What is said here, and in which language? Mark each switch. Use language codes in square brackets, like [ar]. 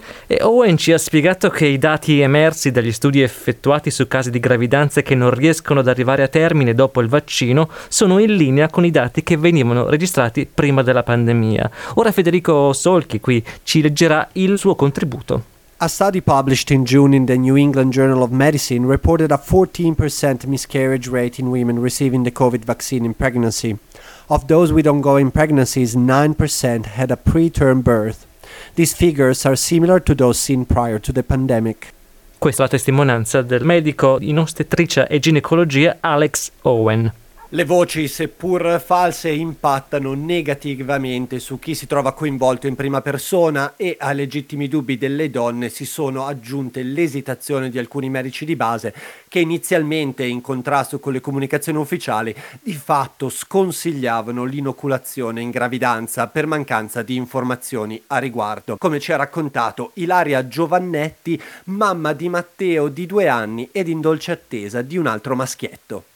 [it] E Owen ci ha spiegato che i dati emersi dagli studi effettuati su casi di gravidanze che non riescono ad arrivare a termine dopo il vaccino sono in linea con i dati che venivano registrati prima della pandemia. Ora Federico Solchi qui ci leggerà il suo contributo. [en] A study published in June in the New England Journal of Medicine reported a 14% miscarriage rate in women receiving the COVID vaccine in pregnancy. Of those with ongoing pregnancies, 9% had a preterm birth. These figures are similar to those seen prior to the pandemic. [it] Questa è la testimonianza del medico in ostetricia e ginecologia Alex Owen. Le voci, seppur false, impattano negativamente su chi si trova coinvolto in prima persona e ai legittimi dubbi delle donne si sono aggiunte l'esitazione di alcuni medici di base che inizialmente, in contrasto con le comunicazioni ufficiali, di fatto sconsigliavano l'inoculazione in gravidanza per mancanza di informazioni a riguardo, come ci ha raccontato Ilaria Giovannetti, mamma di Matteo di 2 anni ed in dolce attesa di un altro maschietto.